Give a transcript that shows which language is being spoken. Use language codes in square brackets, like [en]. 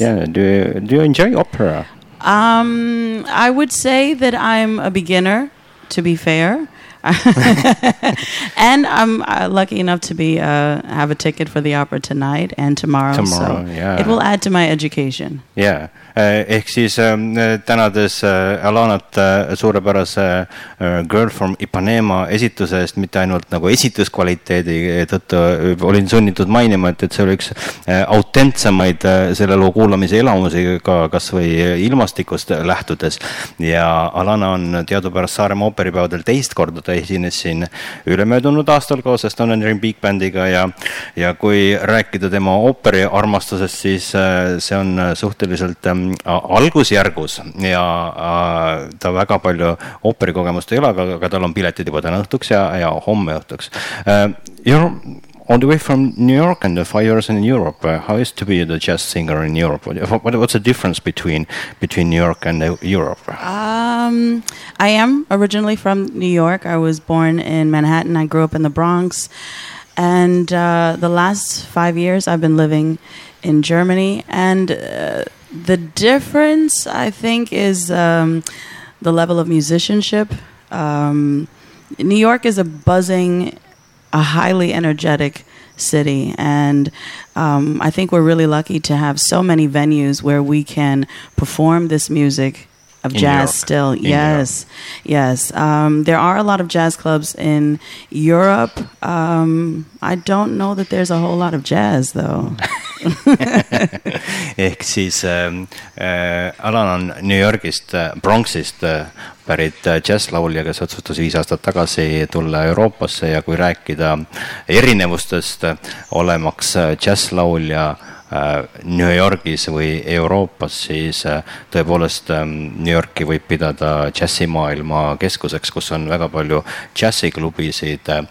[en] Yeah. Do you enjoy opera? I would say that I'm a beginner, to be fair. And I'm lucky enough to be have a ticket for the opera tonight and tomorrow. Tomorrow, so yeah. It will add to my education. Yeah. [et] Ehk siis tänades Alanat suurepärase Girl from Ipanema esituse eest, mitte ainult nagu esituskvaliteedi tõttu olin sunnitud mainima, et see oli üks autentsemaid selle loo kuulamise elamusi ka kas või ilmastikust lähtudes. Ja Alana on teadupärast Saarema ooperipäevadel teist korda ta esines siin ülemöödunud aastal koos Estonian Ring Big Bandiga ja kui rääkida tema ooperi armastusest, siis see on suhteliselt algusjärgus ja ta väga palju ooperikogemust ei ole, aga tal on piletid juba täna õhtuks ja homme õhtuks. [en] You're on the way from New York and 5 years in Europe. How is to be the jazz singer in Europe? What's the difference between New York and Europe? I am originally from New York. I was born in Manhattan. I grew up in the Bronx. And the last 5 years I've been living in Germany and the difference, I think, is the level of musicianship. New York is a buzzing, a highly energetic city, and I think we're really lucky to have so many venues where we can perform this music of in jazz New York. Still. In yes, New York. Yes. There are a lot of jazz clubs in Europe. I don't know that there's a whole lot of jazz, though. [et] Ehk siis Alan on New Yorkist, Bronxist pärit jazzlaulja, kes otsutas 5 aastat tagasi tulla Euroopasse ja kui rääkida erinevustest olemaks jazzlaulja New Yorkis või Euroopas, siis tõepoolest New Yorki võib pidada jazzimaailma keskuseks, kus on väga palju jazziklubisid.